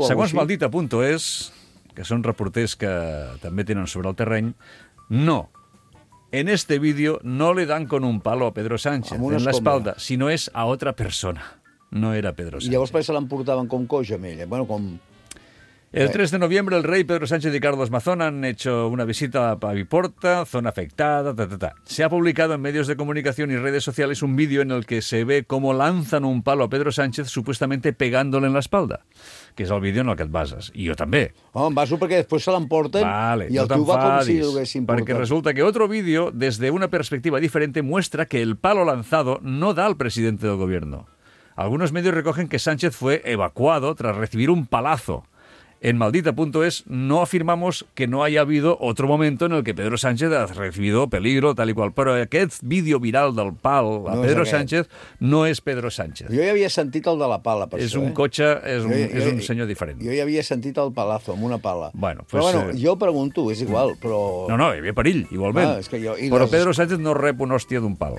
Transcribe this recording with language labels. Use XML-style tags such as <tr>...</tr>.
<ca>alguna cosa així? Segons Maldita Punto és, que són reporters que també tenen sobre el terreny, no,</ca> <es>en este vídeo no le dan con un palo a Pedro Sánchez</es> <ca>en l'espalda, sinó és a otra persona. No era Pedro Sánchez. I llavors per això l'emportaven com coja amb ella. Bueno, com...</ca> <es>El 3 de noviembre el rey Pedro Sánchez y Carlos Mazón han hecho una visita a Paviporta, zona afectada, ta, ta, ta. Se ha publicado en medios de comunicación y redes sociales un vídeo en el que se ve cómo lanzan un palo a Pedro Sánchez supuestamente pegándole en la espalda,</es> <ca>que és el vídeo en el que et bases. I jo també. Oh, em baso perquè després se l'emporten, vale, i el tio va com si l'haguessin portat. Perquè resulta que</ca> <es>otro vídeo, desde una perspectiva diferente, muestra que el palo lanzado no da al presidente del gobierno. Algunos medios recogen que Sánchez fue evacuado tras recibir un palazo. En Maldita.es no afirmamos que no haya habido otro momento en el que Pedro Sánchez ha recibido peligro, tal y cual.</es> <ca>Pero aquest vídeo viral del pal a Pedro Sánchez no és Pedro Sánchez. Jo ja havia sentit el de la pala, per això. És un cotxe, és un senyor diferent. Jo ja havia sentit el palazo amb una pala. Bueno, però bueno, jo pregunto, és igual, però... No, no, hi havia perill, igualment. Ah, és que jo, però Pedro Sánchez no rep una hòstia d'un pal.</ca>